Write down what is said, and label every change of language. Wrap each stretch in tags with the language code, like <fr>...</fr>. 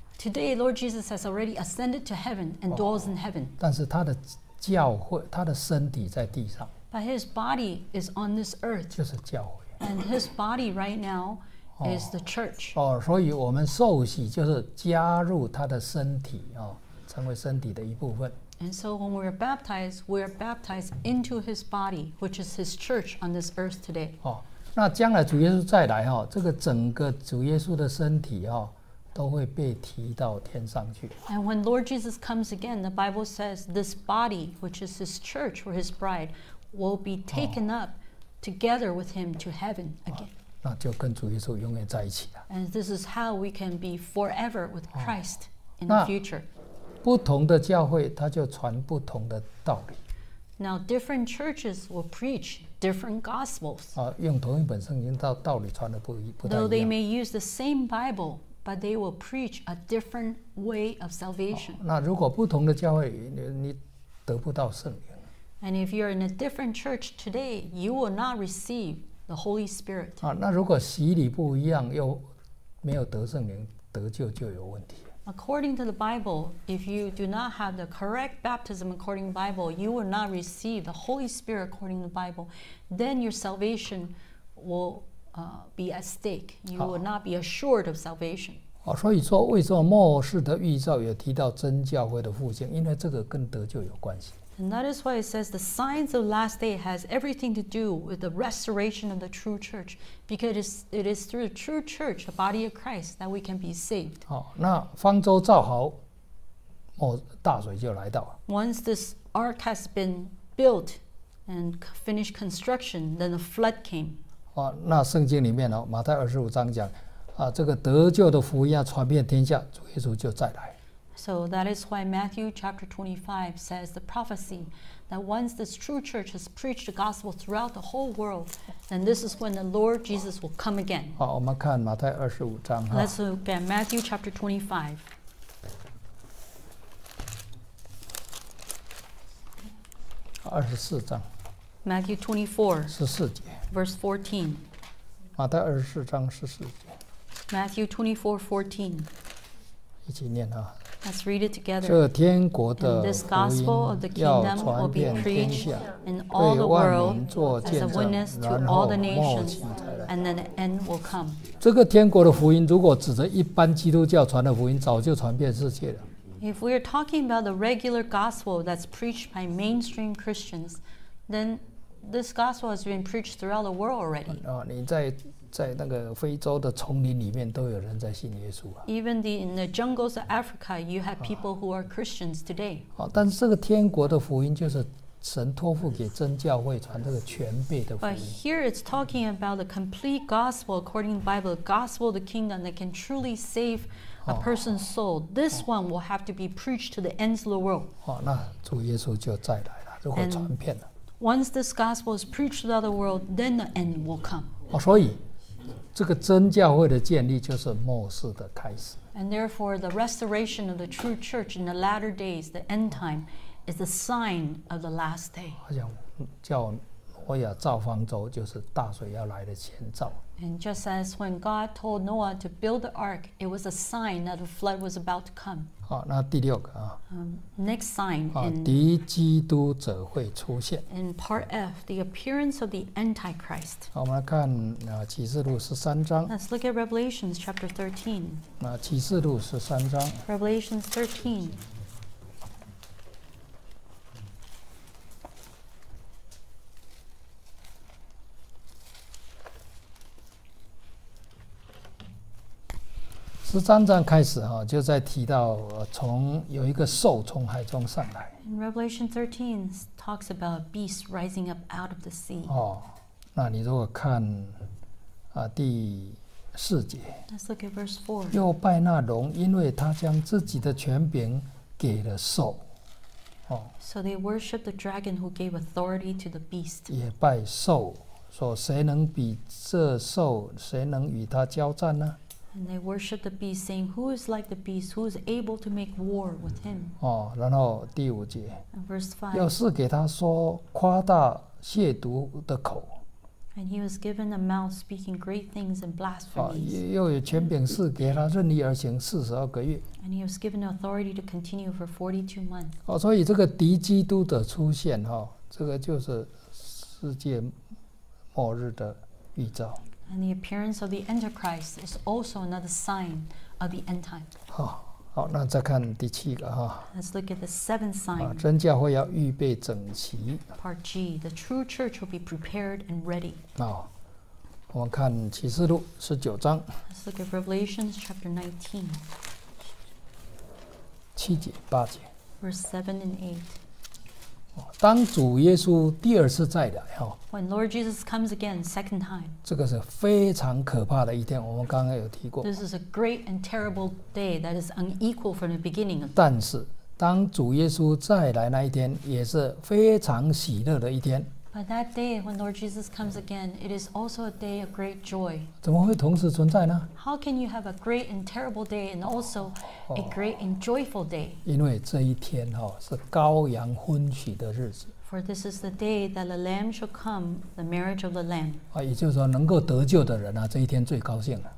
<en>Today, Lord Jesus has already ascended to heaven and dwells in heaven.</en> <zh>但是他的教会，他的身体在地上。</zh> <en>But his body is on this earth.</en> <zh>就是教会。</zh> <en>And his body right now is the church.</en> <zh>哦，所以我们受洗就是加入他的身体啊，成为身体的一部分。</zh> <en>And so when we are baptized, we are baptized into his body, which is his church on this earth today.</en> <zh>哦，那将来主耶稣再来哈，这个整个主耶稣的身体哈。都会被提到天上去。</zh> <en>And when Lord Jesus comes again, the Bible says this body, which is his church or his bride, will be taken up together with him to heaven again.</en> <zh>那就跟主耶稣永远在一起了。</zh> <en>And this is how we can be forever with Christ in the future.</en> <zh>不同的教会，他就传不同的道理。</zh> <en>Now different churches will preach different gospels.</en> <zh>用同一本圣经，道理传的不太一样。</zh> <en>Though they may use the same Bible. But they will preach a different way of salvation.</en> <zh>那如果不同的教会，你得不到圣灵。</zh> <en>And if you're in a different church today, you will not receive the Holy Spirit.</en> <zh>那如果洗礼不一样，又没有得圣灵，得救就有问题。</zh> <en>According to the Bible, if you do not have the correct baptism according to the Bible, you will not receive the Holy Spirit according to the Bible, then your salvation will be at stake. You will not be assured of salvation.</en> <zh>好，所以说为什么末世的预兆有提到真教会的复兴，因为这个跟得救有关系。</zh> <en>And that is why it says the signs of last day has everything to do with the restoration of the true church, because it is through the true church, the body of Christ, that we can be saved.</en> <zh>好，那方舟造好，末大水就来到。</zh> <en>Once this ark has been built and finished construction, then the flood came.</en> <zh>好，那圣经里面哦，马太二十五章讲，啊，这个得救的福音要传遍天下，主耶稣就再来。</zh> <en>So that is why Matthew chapter 25 says the prophecy that once this true church has preached the gospel throughout the whole world, then this is when the Lord Jesus will come again.</en> <zh>好，我们看马太二十五章。</zh> <en>Let's look at Matthew chapter</en> <zh>25. 二十四章。</zh> <en>Matthew 24.</en> <zh>十四节。</zh> <en>Verse 14.</en> <zh>马太二十四章十四节。</zh> <en>Matthew 24:14.</en> <zh>一起念啊。</zh> <en>Let's read it together.</en> <zh>这天国的福音要传遍天下，对万民做见证，然后末期才来。</zh> <en>And then the end will come.</en> <zh>这个天国的福音，如果指着一般基督教传的福音，早就传遍世界了。</zh> <en>If we are talking about the regular gospel that's preached by mainstream Christians, then this gospel has been preached throughout the world already.</en> <zh>你在那个非洲的丛林里面都有人在信耶稣、啊、</zh> <en>Even in the jungles of Africa, you have people who are Christians today.</en> <zh>但是这个天国的福音就是神托付给真教会传这个全备的福音。</zh> <en>But here it's talking about the complete gospel according to the Bible, gospel of the kingdom that can truly save a person's soul. This one will have to be preached to the ends of the world.</en> <zh>那主耶稣就再来了，如果传遍了。</zh> <en>Once this gospel is preached to the other world, then the end will come.</en> <zh>所以这个真教会的建立就是末世的开始。</zh> <en>And therefore, the restoration of the true church in the latter days, the end time, is the sign of the last day.</en> <zh>好像叫挪亚造方舟，就是大水要来的前兆。</zh> <en>And just as when God told Noah to build the ark, it was a sign that the flood was about to come.</en> <zh>好，那第六个啊。</zh> <en>Next sign.</en> <zh>敌基督者会出现。</zh> <en>In part F, the appearance of the Antichrist.</en> <zh>好，我们来看启示录十三章。</zh> <en>Let's look at Revelation chapter 13.</en> <zh>启示录十三章。</zh> <en>Revelation 13.</en> <zh>十三章开始就在提到从有一个兽从海中上来。</zh> <en>In Revelation 13 talks about beast rising up out of the sea.</en> <zh>那你如果看第四节。</zh> <en>Let's look at verse 4.</en> <zh>又拜那龙，因为他将自己的权柄给了兽。</zh> <en>So they worship the dragon who gave authority to the beast.</en> <zh>也拜兽，说谁能比这兽，谁能与他交战呢？</zh> <en>And they worship the beast, saying, "Who is like the beast? Who is able to make war with him?"</en> <zh>然后第五节。</zh> <en>And verse 5.</en> <zh>又赐给他说夸大亵渎的口。</zh> <en>And he was given a mouth speaking great things and blasphemies.</en> <zh>又有权柄赐给他任意而行四十二个月。</zh> <en>And he was given authority to continue for 42 months.</en> <zh>所以这个敌基督的出现这个就是世界末日的预兆。</zh> <en>And the appearance of the Antichrist is also another sign of the end time.</en> <zh>好，那再看第七个。</zh> <en>Let's look at the seventh sign.</en> <zh>真教会要预备整齐。</zh> <en>Part G, the true church will be prepared and ready.</en> <zh>我们看启示录十九章。</zh> <en>Let's look at Revelation chapter 19.</en> <zh>七节八节。</zh> <en>Verse 7 and 8.</en> <zh>当主耶稣第二次再来</zh> <en>When Lord Jesus comes again, second time.</en> <zh>这个是非常可怕的一天，我们刚刚有提过。</zh> <en>This is a great and terrible day that is unequal from the beginning.</en> <zh>但是，当主耶稣再来那一天，也是非常喜乐的一天。</zh> <en>But that day when Lord Jesus comes again, it is also a day of great joy.</en> <zh>怎么会同时存在呢?</zh> <en>How can you have a great and terrible day and also a great and joyful day?</en> <zh>因为这一天哦，是羔羊婚娶的日子。</zh> <en>For this is the day that the Lamb shall come, the marriage of the Lamb.</en> <zh>啊，也就是说，能够得救的人啊，这一天最高兴了。</zh>